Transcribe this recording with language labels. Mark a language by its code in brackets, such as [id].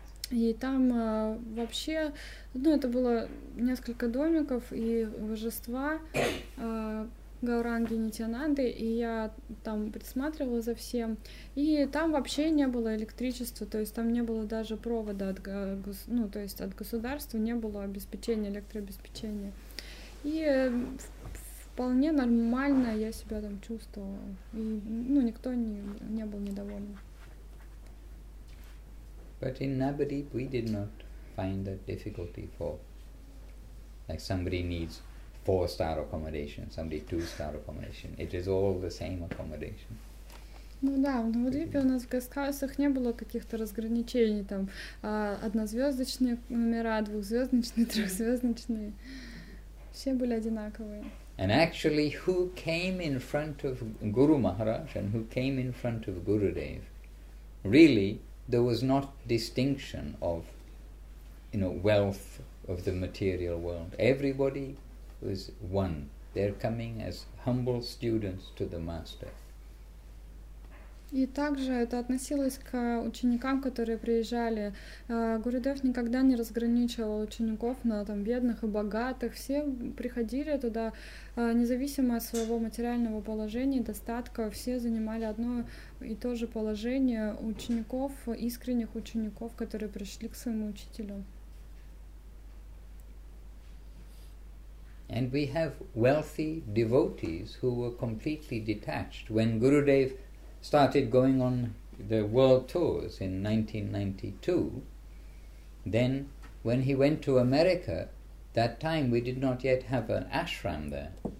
[ru] И там вообще, ну, это было несколько домиков и божества Гауранги Нитянанды, и я там присматривала за всем, и там вообще не было электричества, то есть там не было даже провода от государства, не было обеспечения, электрообеспечения. И вполне нормально я себя там чувствовала, и, ну, никто не был недоволен. [en] But in Navadvip, we did not find that difficulty for, like, somebody needs 4-star accommodation, somebody 2-star accommodation. It is all the same accommodation. [ru] Ну да, в Навадвипе у нас в гостхаусах не было каких-то разграничений, там, однозвездочные номера, двухзвездочные, трехзвездочные. Все были одинаковые. [en] And actually, who came in front of Guru Maharaj and who came in front of Gurudev, really, there was not distinction of, you know, wealth of the material world. Everybody was one. They're coming as humble students to the master. [ru] И также это относилось к ученикам, которые приезжали. Гурудев никогда не разграничивал учеников на там бедных и богатых. Все приходили туда, независимо от своего материального положения, достатка, все занимали одно и то же положение учеников, искренних учеников, которые пришли к своему учителю. [en] And we have wealthy devotees who were completely detached when Gurudev started going on the world tours in 1992. Then, when he went to America, that time we did not yet have an ashram there.